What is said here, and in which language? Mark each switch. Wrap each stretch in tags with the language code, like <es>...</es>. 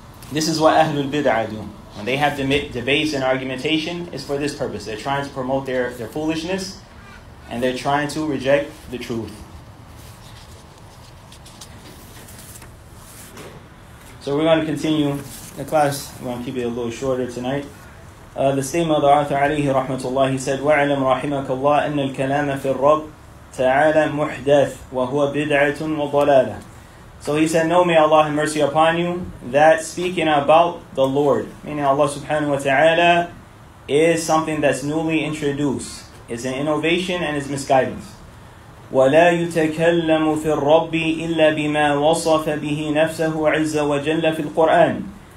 <en>This is what Ahlul Bid'ah do. When they have debates and argumentation, it's for this purpose. They're trying to promote their foolishness, and they're trying to reject the truth. So we're going to continue the class. We're going to keep it a little shorter tonight. The same of the author</en> <ar>عليه رحمة الله,</ar> <en>he said,</en> <ar>وَعَلَمْ رَحِمَكَ اللَّهِ أَنَّ الْكَلَامَ فِي الرَّبِّ تَعَالَى مُحْدَثْ وَهُوَ بِدْعَةٌ وَضَلَالَةٌ.</ar> <en>So he said, know, may Allah have mercy upon you, that speaking about the Lord, meaning Allah subhanahu wa ta'ala, is something that's newly introduced. It's an innovation and it's misguidance.</en> <ar>وَلَا يُتَكَلَّمُ فِي الرَّبِّ إِلَّا بِمَا وَصَفَ بِهِ نَفْسَهُ عِزَّ وَجَلَّ فِي الْقُرْآنِ.</ar>